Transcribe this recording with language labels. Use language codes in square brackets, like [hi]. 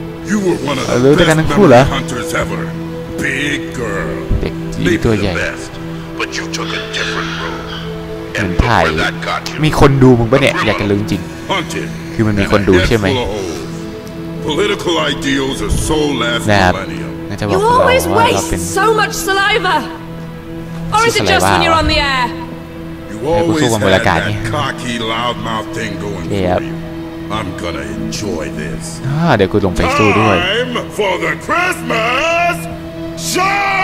[en] You were one of the best memory hunters ever. Big girl. Maybe the best. But you took a different road. And boy, that got you. [th] มีคนดูมึงป่ะเนี่ยอยากจะรู้จริงคือมันมีคนดูใช่ไหม [en] Political ideals are so last millennium. You always waste so much saliva. Or is it just when you're on the air? You always have that cocky, loudmouth thing going for you. I'm gonna enjoy this. [th] เดี๋ยวกูลงไปสู้ด้วย [en] Time for the Christmas show.